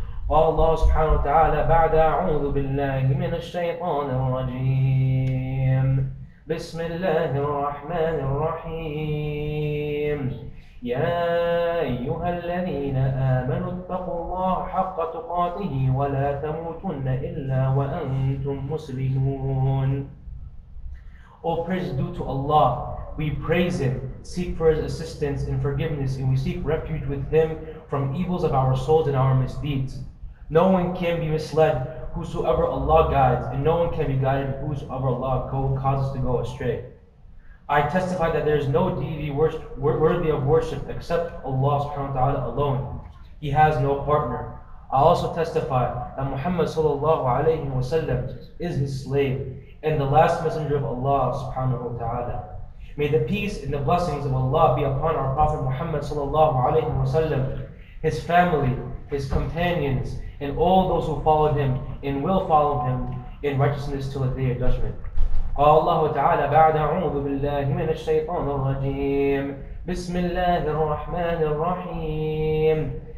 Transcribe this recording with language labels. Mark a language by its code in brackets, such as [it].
[ar] قال الله سبحانه وتعالى بعد: أعوذ بالله من الشيطان الرجيم، بسم الله الرحمن الرحيم. يا أيها الذين آمنوا اتقوا الله حق تقاته ولا تموتن إلا وأنتم مسلمون. [en] All praise due to Allah. We praise Him, seek for His assistance and forgiveness, and we seek refuge with Him from evils of our souls and our misdeeds. No one can be misled whosoever Allah guides, and no one can be guided whosoever Allah causes to go astray. I testify that there is no deity worthy of worship except Allah subhanahu wa ta'ala alone. He has no partner. I also testify that Muhammad sallallahu alayhi wa sallam is His slave and the last messenger of Allah subhanahu wa ta'ala. May the peace and the blessings of Allah be upon our Prophet Muhammad sallallahu alayhi wa sallam, his family, his companions, and all those who followed him and will follow him in righteousness till the day of judgment. [ar] قال الله تعالى بعد: أعوذ بالله من الشيطان الرجيم، بسم الله الرحمن الرحيم.